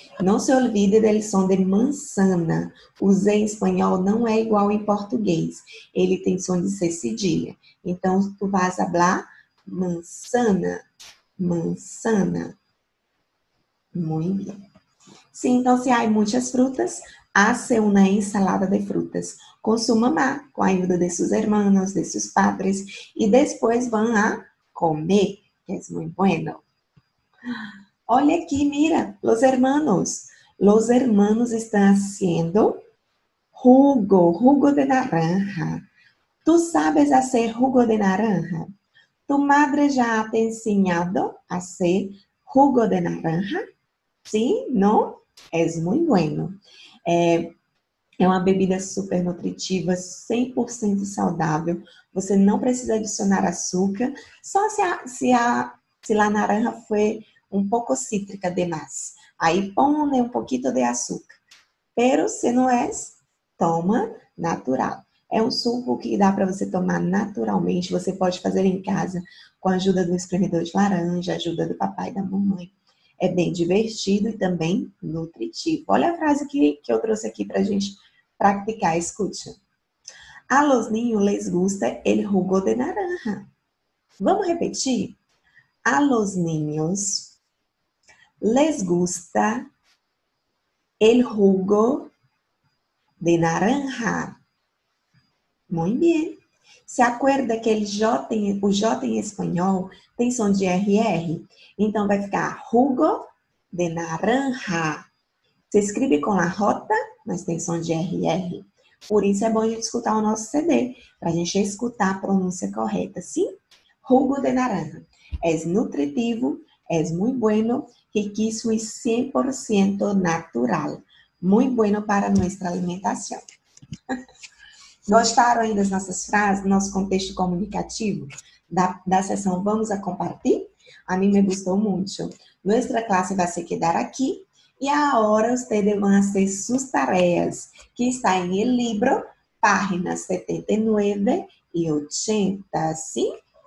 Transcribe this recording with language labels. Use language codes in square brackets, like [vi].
[es] No se olvide del son de manzana. [pt] O Z em espanhol não é igual em português. Ele tem som de C cedilha. [es] Então, tu vas hablar manzana, manzana. Muy bien. [pt] Sim, então, se há muitas frutas, [es] hace una ensalada de frutas [pt] com sua mamá, com a ajuda de seus hermanos, de seus padres, e depois vão a comer, que é muito bueno. Olha aqui, [es] mira, los hermanos. Los hermanos estão haciendo jugo, jugo de naranja. Tu sabes hacer jugo de naranja? Tu madre já te enseñado a hacer jugo de naranja? [pt] Sim, não? É muito bueno. É uma bebida super nutritiva, 100% saudável. Você não precisa adicionar açúcar, só se a naranja foi um pouco cítrica demais. Aí põe um pouquinho de açúcar. Pero se não é, toma natural. É um suco que dá para você tomar naturalmente. Você pode fazer em casa com a ajuda do espremedor de laranja, ajuda do papai e da mamãe. É bem divertido e também nutritivo. Olha a frase que eu trouxe aqui para a gente praticar. Escute. [es] A los niños les gusta el jugo de naranja. [pt] Vamos repetir? [es] A los niños les gusta el jugo de naranja. Muy bien. [pt] Se acorda que o J em espanhol tem som de RR? Então vai ficar jugo de naranja. Se escreve com a rota, mas tem som de RR. Por isso é bom a gente escutar o nosso CD, para a gente escutar a pronúncia correta, sim? [es] Jugo de naranja. Es nutritivo, es muy bueno, [pt] riquíssimo e 100% natural. [es] Muy bueno para nuestra alimentación. [pt] Gostaram aí das nossas frases, nosso contexto comunicativo da sessão Vamos a Compartir? A mim me gustou muito. Nossa classe vai se quedar aqui e agora vocês vão fazer suas tarefas, que está em livro, páginas 79 e 80, sim?